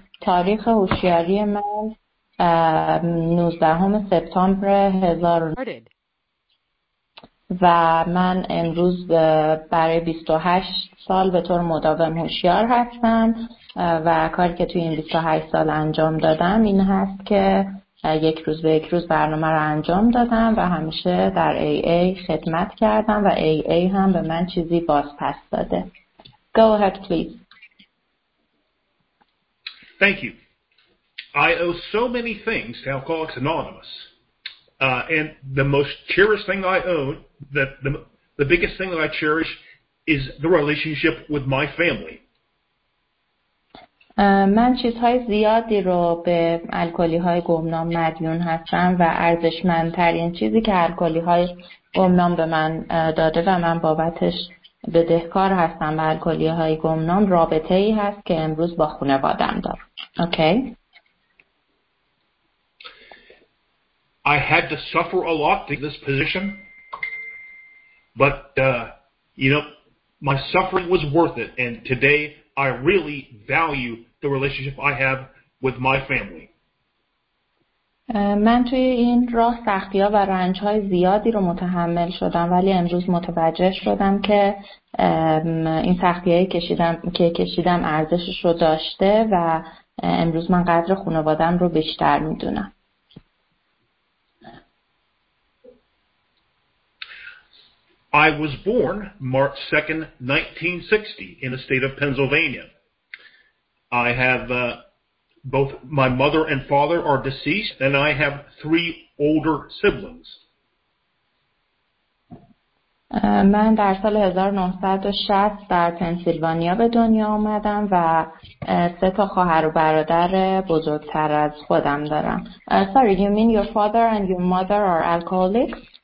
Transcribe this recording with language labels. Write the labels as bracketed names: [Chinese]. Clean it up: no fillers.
[Persian] تاریخ هوشیاری من 19 سپتامبر 1900 و من امروز برای 28 سال به طور مداوم هوشیار هستم و کاری که توی این 28 سال انجام دادم این هست که یک روز به یک روز برنامه رو انجام دادم و همیشه در AA خدمت کردم و AA هم به من چیزی بازپس داده. [English] Go ahead, please. Thank you. I owe so many things to Alcoholics Anonymous. And the most cherished thing I own, the biggest thing that I cherish is the relationship with my family. [Persian] من چیزهای زیادی رو به الکلی‌های گمنام مدیون هستم و ارزشمندترین چیزی که الکلی‌های گمنام به من داده و من بابتش بدهکار هستم به الکلی‌های گمنام رابطه‌ای هست که امروز با خانواده‌ام دارم. [English] Okay? I had to suffer a lot to this position, but you know, my suffering was worth it, and today I really value the relationship I have with my family. [Persian] من توی این راه سختی‌ها و رنج‌های زیادی رو متحمل شدم، ولی امروز متوجه شدم که این سختی‌هایی کشیدم ارزشش رو داشته و امروز من قدر خانواده‌ام رو بیشتر می‌دونم. [English] I was born March 2nd, 1960 in the state of Pennsylvania. I have both my mother and father are deceased, and I have three older siblings. [Persian] من در سال 1960 در پنسیلوانیا به دنیا آمدم و سه تا خواهر و برادر بزرگتر از خودم دارم. [English] Sorry, you mean your father and your mother are alcoholics?